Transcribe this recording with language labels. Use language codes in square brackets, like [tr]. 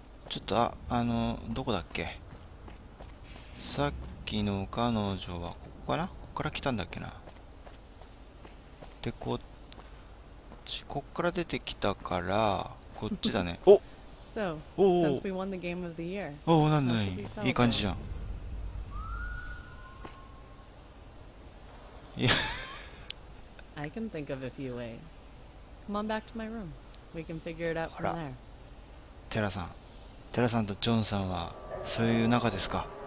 [ja] ちょっと、どこだっけ。さっきの彼女はここかな。こっから来たんだっけな。でこっち、こっから出てきたからこっちだね。おっ、 [en] So, since we won the game of the year. [ja] Oh, なんない。いい感じじゃん。いや。 [en] I can think of a few ways. Come on back to my room. We can figure it out from there. [ja] テラさん。テラさんとジョンさんはそういう仲ですか？